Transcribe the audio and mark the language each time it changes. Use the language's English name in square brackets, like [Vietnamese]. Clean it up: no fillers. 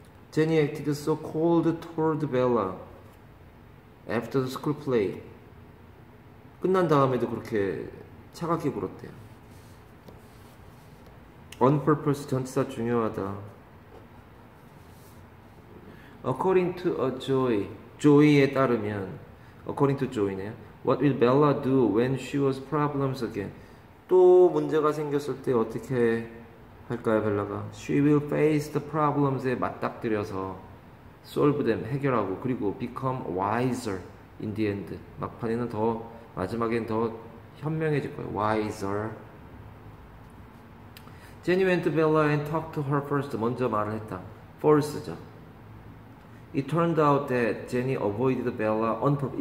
[English] Jenny acted so cold toward Bella after the school play. [Korean] 끝난 다음에도 그렇게 차갑게 굴었대요. [English] On purpose, [Korean] 전치사 중요하다. [English] According to a Joy, Joy에 따르면, according to Joy네요. What will Bella do when she was problems again? [Korean] 또 문제가 생겼을 때 어떻게 할까요, 벨라가? [English] She will face the problems에 맞닥뜨려서 solve them, [Korean] 해결하고, 그리고 [English] become wiser, in the end. [Korean] 막판에는 더, 마지막엔 더 현명해질 거예요. [English] Wiser. Jenny went to Bella and talked to her first. [Korean] 먼저 말을 했다. First죠. [English] It turned out that Jenny avoided Bella on purpose.